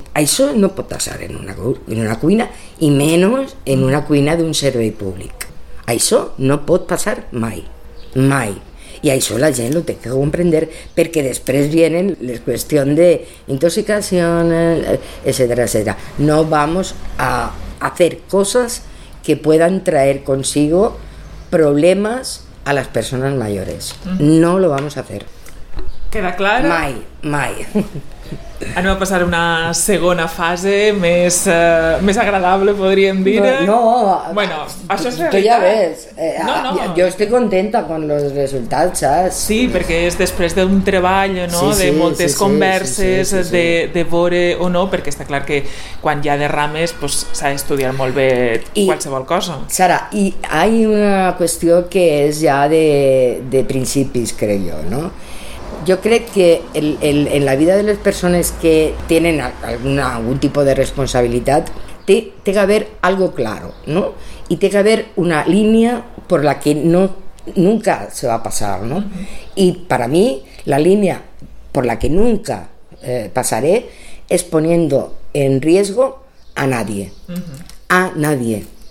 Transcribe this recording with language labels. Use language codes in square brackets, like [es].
[ca] Això no pot passar en una cuina, i menys en una cuina d'un servei públic. Això no pot passar mai. I això la gent ho té que comprendre, perquè després vienen les qüestions de intoxicació, etcètera. [es] No vamos a hacer cosas que puedan traer consigo [ca] problemes a les [es] persones mayores. No lo vamos a hacer. [ca] Queda clar? Mai. Anem a passar a una segona fase més agradable, podríem dir. No, bueno, això és realitat. Tu ja ves. Jo estic contenta amb els resultats, saps? Sí, perquè és després d'un treball, no? Sí, de moltes converses, sí. De veure o no, perquè està clar que quan hi ha derrames pues, s'ha d'estudiar molt bé qualsevol cosa. Sara, i hi ha una qüestió que és ja de principis, crec jo, no? [es] Yo creo que en la vida de las personas que tienen algún tipo de responsabilidad, tiene que haber algo claro, ¿no? Y tiene que haber una línea por la que nunca se va a pasar, ¿no? Y para mí, la línea por la que nunca pasaré es poniendo en riesgo a nadie. A nadie.